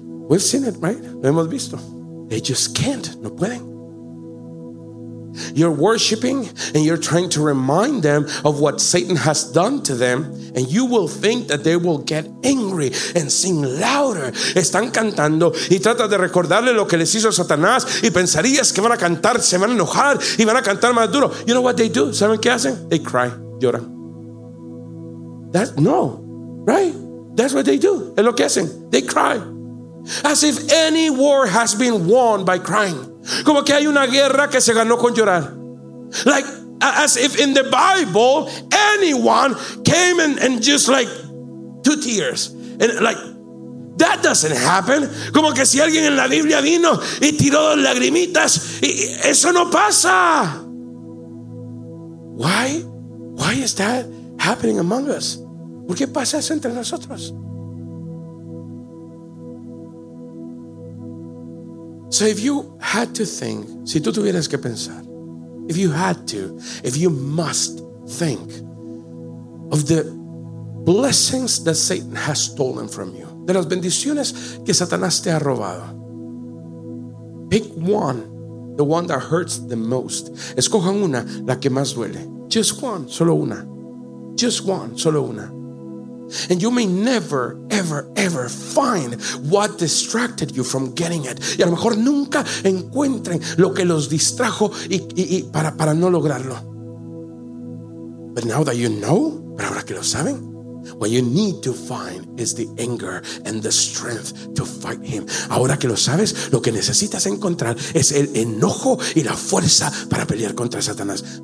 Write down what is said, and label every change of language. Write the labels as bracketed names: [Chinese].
[English] We've seen it, right? [Spanish] Lo hemos visto. [English] They just can't. [Spanish] No pueden. [English] You're worshiping and you're trying to remind them of what Satan has done to them, and you will think that they will get angry and sing louder. [Spanish] Están cantando y tratas de recordarle lo que les hizo Satanás, y pensarías que van a cantar, se van a enojar y van a cantar más duro. [English] You know what they do? [Spanish] ¿Saben qué hacen? [English] They cry. Lloran. That, no. Right? That's what they do. [Spanish] Es lo que hacen. [English] They cry. As if any war has been won by crying. [Spanish] Como que hay una guerra que se ganó con llorar. [English] Like as if in the Bible anyone came and just like two tears. And like that doesn't happen. [Spanish] Como que si alguien en la Biblia vino y tiró dos lagrimitas, eso no pasa. [English] Why is that happening among us? [Spanish] ¿Por qué pasa eso entre nosotros? [English] So if you had to think, [Spanish] si tú tuvieras que pensar, [English] if you had to, if you must think of the blessings that Satan has stolen from you, [Spanish] de las bendiciones que Satanás te ha robado, [English] pick one, the one that hurts the most. [Spanish] Escojan una, la que más duele. [English] Just one, [Spanish] solo una. [English] Just one, [Spanish] solo una. [English] And you may never, ever, ever find what distracted you from getting it. [Spanish] Y a lo mejor nunca encuentren lo que los distrajo y para no lograrlo. [English] But now that you know, [Spanish] pero ahora que lo saben, [English] what you need to find is the anger and the strength to fight him. [Spanish] Ahora que lo sabes, lo que necesitas encontrar es el enojo y la fuerza para pelear contra Satanás.